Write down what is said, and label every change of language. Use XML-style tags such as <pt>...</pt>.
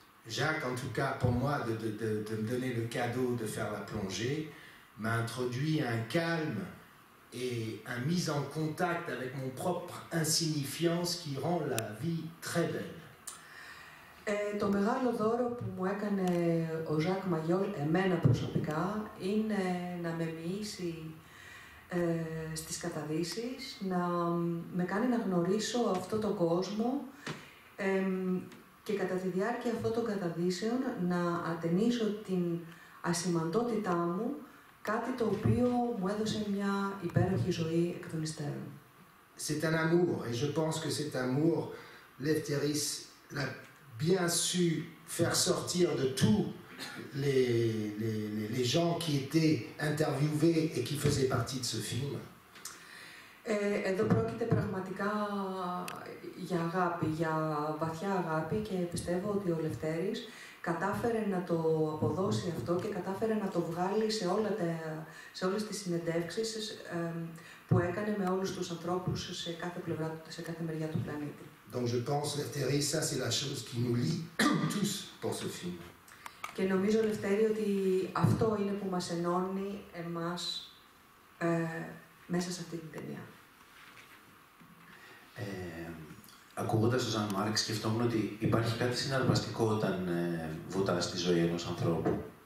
<fr>Jacques, en tout cas pour moi, de me donner le cadeau de faire la plongée, m'a introduit un calme et un mise en contact avec mon propre insignifiance qui rend la vie très belle.</fr> <el>Το μεγάλο δώρο που μου έκανε ο Ζακ Μαγιόλ εμένα προσωπικά είναι να με μοιήσει στις καταδύσεις, να με κάνει να γνωρίσω αυτό τον κόσμο και κατά τη διάρκεια αυτών των καταδύσεων να ατενίσω την ασημαντότητά μου, κάτι το οποίο μου έδωσε μια υπέροχη ζωή εκ των υστέρων.</el> <fr>C'est un amour, et je pense que cet amour, Lefteris, la bien su faire sortir de tous les gens qui étaient interviewés et qui faisaient partie de ce film.</fr> <el>Εδώ πρόκειται πραγματικά για αγάπη, για βαθιά αγάπη και πιστεύω ότι ο Λευτέρης κατάφερε να το αποδώσει αυτό και κατάφερε να το βγάλει σε, όλα τα, σε όλες τις συνεντεύξεις που έκανε με όλους τους ανθρώπους σε κάθε πλευρά, σε κάθε μεριά του πλανήτη.</el> <fr>Donc je pense, Lefteris, ça c'est la chose qui nous lie tous pour ce film.</fr> <el>Και νομίζω, Λευτέρη, ότι αυτό είναι που μας ενώνει εμάς μέσα σε αυτή την ταινία. Ακούγοντας τον Ζαν-Μάρκ, σκεφτόμουν ότι υπάρχει κάτι συναρπαστικό όταν βουτάς τη ζωή ενός ανθρώπου.</el>